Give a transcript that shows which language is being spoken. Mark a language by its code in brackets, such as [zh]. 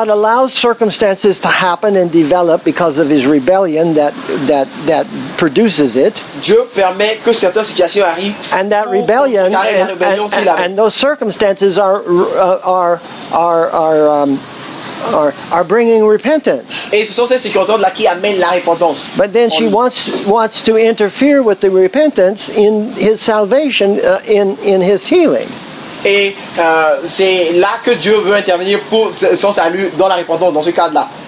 [en] God allows circumstances to happen and develop because of his rebellion that produces it. [fr] Dieu permet que certaines situations arrivent. [en] And that rebellion and those circumstances are bringing repentance. [fr] Et ce sont ces circonstances-là qui amènent la repentance. [en] But then she wants to interfere with the repentance in his salvation in his healing. [fr] Et c'est là que Dieu veut intervenir pour son salut dans la repentance dans ce cadre-là.